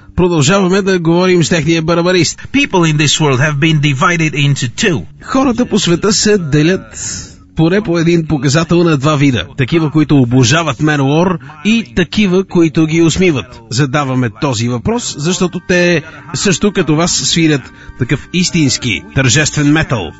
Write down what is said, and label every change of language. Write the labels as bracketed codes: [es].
[bg] Продължаваме да говорим с техния барабарист. [en] People in this world have been divided into two. [bg] Хората по света се делят поре по един показател на два вида. Такива, които обожават Manowar, и такива, които ги усмиват. Задаваме този въпрос, защото те също като вас свирят такъв истински тържествен метал.